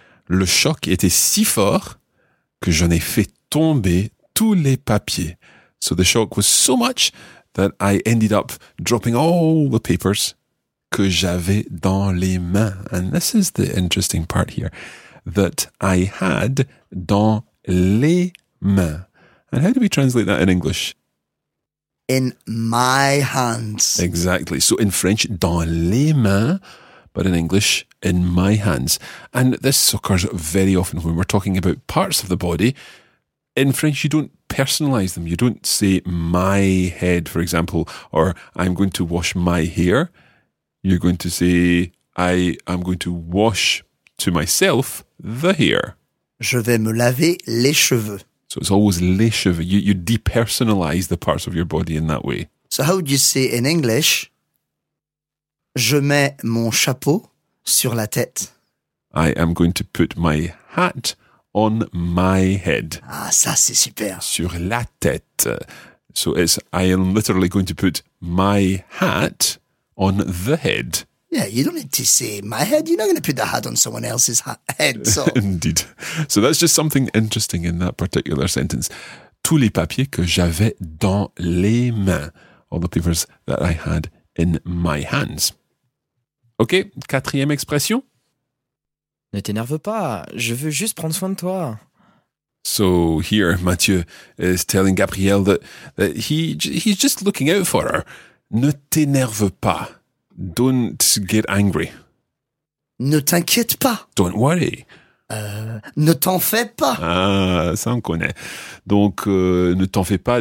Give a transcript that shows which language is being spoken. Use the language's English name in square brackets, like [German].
[French] Le choc était si fort que j'en ai fait tomber tous les papiers. [English] So the shock was so much that I ended up dropping all the papers [French] que j'avais dans les mains. [English] And this is the interesting part here. That I had [French] dans les mains. [English] And how do we translate that in English? In my hands. Exactly. So in French, [French] dans les mains, [English] but in English, in my hands. And this occurs very often when we're talking about parts of the body. In French, you don't personalise them. You don't say my head, for example, or I'm going to wash my hair. You're going to say I am going to wash to myself the hair. [French] Je vais me laver les cheveux. [English] So it's always les cheveux. You depersonalise the parts of your body in that way. So how would you say in English, [French] je mets mon chapeau sur la tête? [English] I am going to put my hat on my head. [French] Ah, ça c'est super. Sur la tête. [English] So it's, I am literally going to put my hat on the head. Yeah, you don't need to say my head. You're not going to put the hat on someone else's head. So. Indeed. So that's just something interesting in that particular sentence. [French] Tous les papiers que j'avais dans les mains. [English] All the papers that I had in my hands. [French] OK, quatrième expression. Ne t'énerve pas, je veux juste prendre soin de toi. [English] So here, Mathieu is telling Gabrielle that he's just looking out for her. [French] Ne t'énerve pas. [English] Don't get angry. [French] Ne t'inquiète pas. [English] Don't worry. [French] Ne t'en fais pas. Ah, ça on connaît. Donc, ne t'en fais pas.